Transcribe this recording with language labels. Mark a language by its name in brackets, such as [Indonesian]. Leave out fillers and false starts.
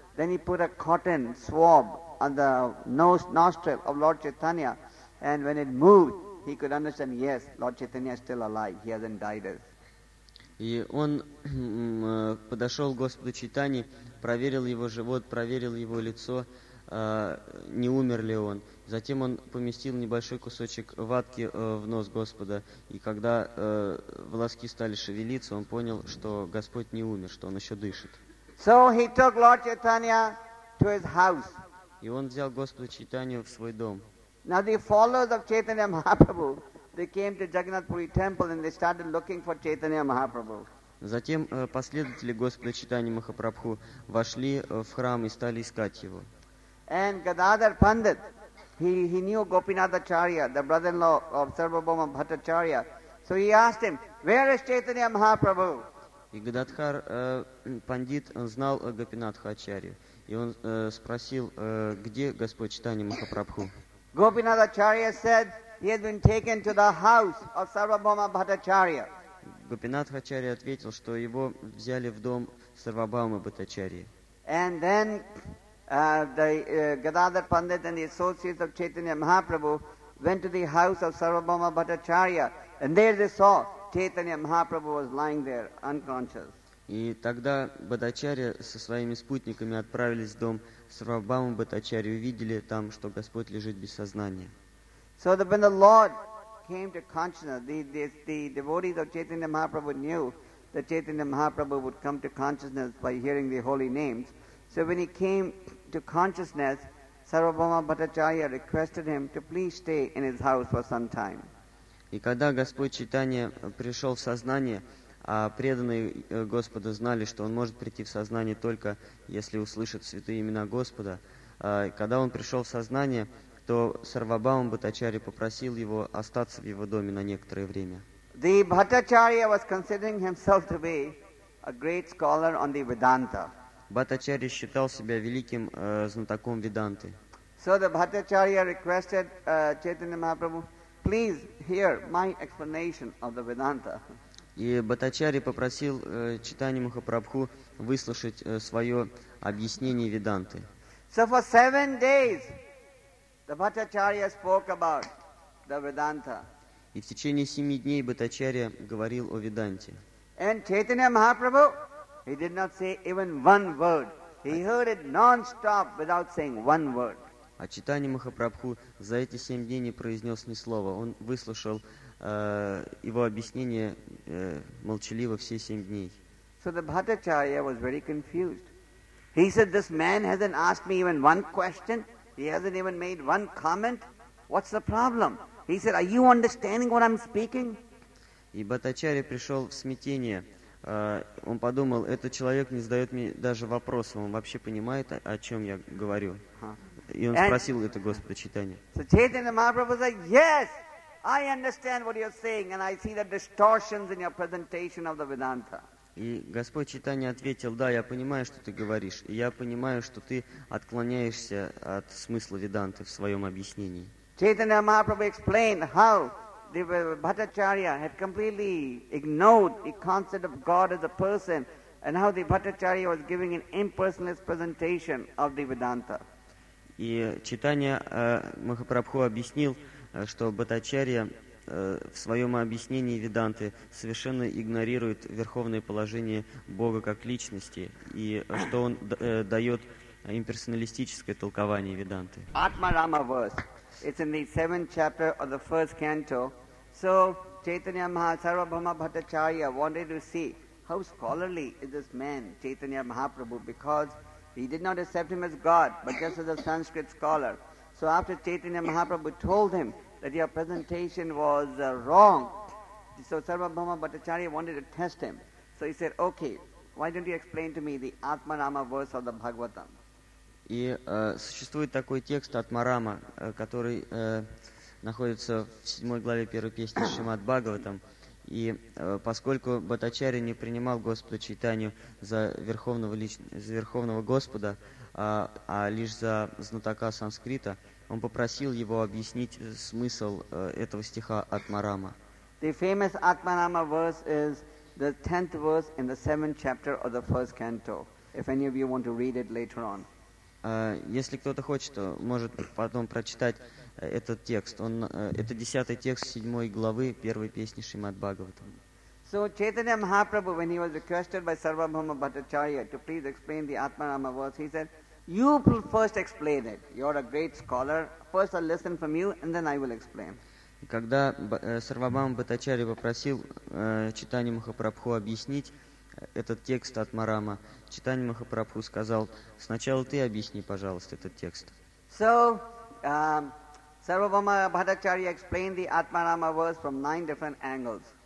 [English] Then he put a cotton swab on the nostril of Lord Chaitanya, and when it moved, he could understand, yes, Lord Chaitanya is still alive, he hasn't died yet. [Russian] И он подошел к Господу Чайтанье, проверил его живот, проверил его лицо, не умер ли он. Затем он поместил небольшой кусочек ватки в нос Господа, и когда волоски стали шевелиться, он понял, что Господь не умер, что он еще дышит. [English] So he took Lord Chaitanya to his house. [Russian] И он взял Господа Чайтанью в свой дом. [English] Now the followers of Chaitanya Mahaprabhu, they came to Jagannath Puri temple and they started looking for Chaitanya Mahaprabhu. [Russian] Затем последователи Господа Чайтанья Махапрабху вошли в храм и стали искать его. [English] And Gadadhar Pandit, he knew Gopinathacharya, the brother-in-law of Sarvabhauma Bhattacharya. So he asked him, where is Chaitanya Mahaprabhu? [Russian] И Гададхар Пандит знал Гопинатхачарью. И он спросил, где Господь Чайтанья Махапрабху? [English] Gopinathacharya said he had been taken to the house of Sarvabhauma Bhattacharya. [Russian] Гопинатхачарья ответил, что его взяли в дом Сарвабхаумы Бхаттачарьи. [English] And then Gadadhar Pandit and the associates of Chaitanya Mahaprabhu went to the house of Sarvabhauma Bhattacharya, and there they saw Chaitanya Mahaprabhu was lying there unconscious. [Russian] И тогда Бхаттачарья со своими спутниками отправились в дом Сарвабхаумы Бхаттачарьи, увидели там, что Господь лежит без сознания. [English] So that when the Lord came to consciousness, the devotees of Chaitanya Mahaprabhu knew that Chaitanya Mahaprabhu would come to consciousness by hearing the holy names. So when he came to consciousness, Sarvabhauma Bhattacharya requested him to please stay in his house for some time. [Russian] И когда Господь Чайтанья пришел в сознание, а преданные Господу знали, что он может прийти в сознание только если услышит святые имена Господа, когда он пришел в сознание, то Сарвабхаум Бхаттачарья попросил его остаться в его доме на некоторое время. [English] The Bhattacharya was considering himself to be a great scholar on the Vedanta. [Russian] Бхаттачарья считал себя великим знатоком Веданты. [English] So the Bhattacharya requested Chaitanya Mahaprabhu, please hear my explanation of the Vedanta. [Russian] И Бхаттачарья попросил Чайтанью Махапрабху выслушать свое объяснение Веданты. [English] So for 7 days the Bhattacharya spoke about the Vedanta. [Russian] И в течение 7 дней Бхаттачарья говорил о Веданте. [English] And Chaitanya Mahaprabhu, he did not say even one word. He heard it non-stop without saying one word. [Russian] А Чайтанья Махапрабху за эти 7 дней не произнес ни слова. Он выслушал его объяснение молчаливо все 7 дней. [English] So the Bhattacharya was very confused. He said, this man hasn't asked me even one question. He hasn't even made one comment. What's the problem? He said, are you understanding what I'm speaking? [Russian] И Бхаттачарья пришел в смятение. Он подумал, этот человек не задает мне даже вопросов. Он вообще понимает, о чем я говорю. И он спросил это Господа Чайтанья. [English] So Chaitanya Mahaprabhu said, yes! I understand what you're saying, and I see the distortions in your presentation of the Vedanta. [Russian] И Господь Чайтанья ответил: да, я понимаю, что ты говоришь, и я понимаю, что ты отклоняешься от смысла Веданты в своем объяснении. [English] Chaitanya Mahaprabhu explained how the Bhattacharya had completely ignored the concept of God as a person, and how the Bhattacharya was giving an impersonalist presentation of the Vedanta. [Russian] И Чайтанья Махапрабху объяснил, что Бхаттачарья в своем объяснении Веданты совершенно игнорирует верховное положение Бога как личности, и что он дает имперсоналистическое толкование Веданты. [English] Атмарама verse. It's in the 7th chapter of the first canto. So Chaitanya Mahasarvabhama Bhattacharya wanted to see how scholarly is this man, Chaitanya Mahaprabhu, because he did not accept him as God, but just as a Sanskrit scholar. So after Chaitanya Mahaprabhu told him that your presentation was wrong. So Sarvabhama Bhattacharya wanted to test him. So he said, okay, why don't you explain to me the Atmarama verse of the Bhagavatam? [Russian] И существует такой текст Атмарама, который находится в 7 главе первой песни Шримад Бхагаватам. И поскольку Бхаттачарья не принимал Господа Чайтанью за верховного Господа, а лишь за знатока санскрита, он попросил его объяснить смысл этого стиха Атмарама. [English] The famous Atmarama verse is the 10th verse in the 7th chapter of the first canto. If any of you want to read it later on. [Russian] Если кто-то хочет, то может потом прочитать этот текст. Это 10-й текст 7-й главы первой песни Шримад Бхагаватам. [English] So Chaitanya Mahaprabhu, when he was requested by Sarvabhama Bhattacharya to please explain the Atmarama verse, he said, you first explain it. You're a great scholar. First I'll listen from you, and then I will explain. [Russian] Когда Сарвабхама Бхаттачарья попросил Чайтанью Махапрабху объяснить этот текст Атмарама, Чайтанья Махапрабху сказал, сначала ты объясни, пожалуйста, этот текст. [English] So, Сарвабхама Бхаттачарья explained the Atmarama verse from 9 different angles.